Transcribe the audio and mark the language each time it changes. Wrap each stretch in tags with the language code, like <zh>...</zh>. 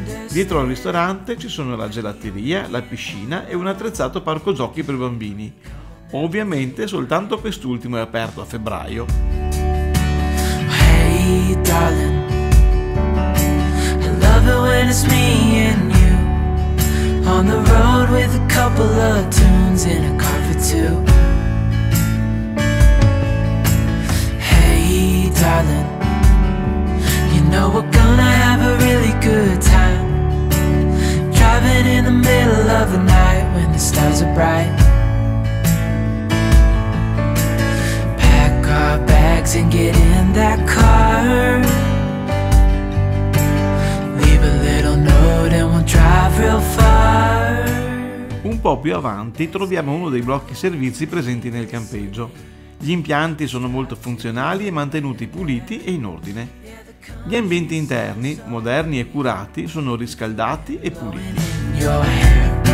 <it>Dietro al ristorante ci sono la gelateria, la piscina e un attrezzato parco giochi per bambini. Ovviamente soltanto quest'ultimo è aperto a febbraio.</it> <en>Hey darling, I love it when it's me and you on the road with a couple of tunes in a car for two. Hey darling, you know we're gonna have a really good time. Driving in the middle of the night when the stars are bright. Pack our bags and get in that car. Leave a little note and we'll drive real far.</en> <it>Un po' più avanti troviamo uno dei blocchi servizi presenti nel campeggio. Gli impianti sono molto funzionali e mantenuti puliti e in ordine. Gli ambienti interni, moderni e curati, sono riscaldati e puliti.</it>